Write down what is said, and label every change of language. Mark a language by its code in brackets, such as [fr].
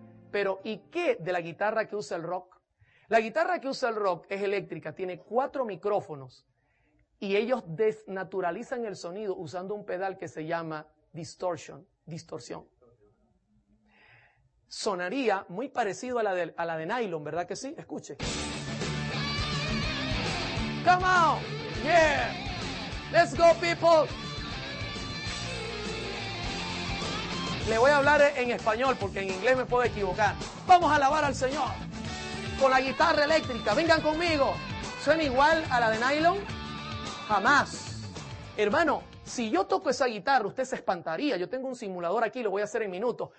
[es] Pero ¿y qué de la guitarra que usa el rock? La guitarra que usa el rock es eléctrica, tiene 4 micrófonos y ellos desnaturalizan el sonido usando un pedal que se llama distorsión. Sonaría muy parecido a la de nylon, ¿verdad que sí? Escuche. [en] Come on, yeah, let's go people. [es] Le voy a hablar en español porque en inglés me puedo equivocar. Vamos a alabar al Señor con la guitarra eléctrica. Vengan conmigo. ¿Suena igual a la de nylon? Jamás. Hermano, si yo toco esa guitarra, usted se espantaría. Yo tengo un simulador aquí, lo voy a hacer en minutos.